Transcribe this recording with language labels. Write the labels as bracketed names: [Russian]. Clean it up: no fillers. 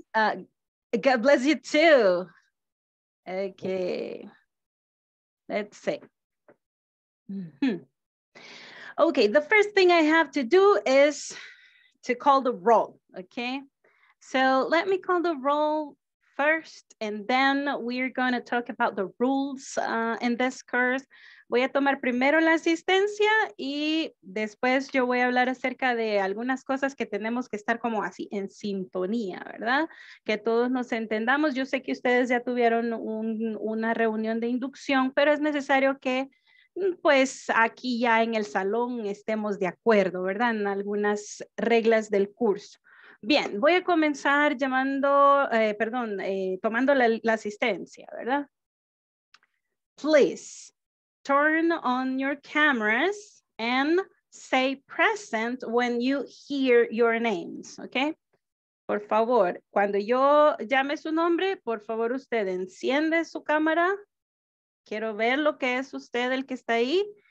[English] God bless you too. Okay. Let's see. Okay, the first thing I have to do is to call the roll, okay? So let me call the roll first, and then we're going to talk about the rules in this course. [Spanish] Voy a tomar primero la asistencia y después yo voy a hablar acerca de algunas cosas que tenemos que estar como así en sintonía, ¿verdad? Que todos nos entendamos. Yo sé que ustedes ya tuvieron una reunión de inducción, pero es necesario que pues aquí ya en el salón estemos de acuerdo, ¿verdad? En algunas reglas del curso. Bien, voy a comenzar llamando, tomando la asistencia, ¿verdad? [English] Please turn on your cameras and say present when you hear your names, okay? [Spanish] Por favor, cuando yo llame su nombre, por favor, usted enciende su cámara. Quiero ver lo que es usted el que está ahí.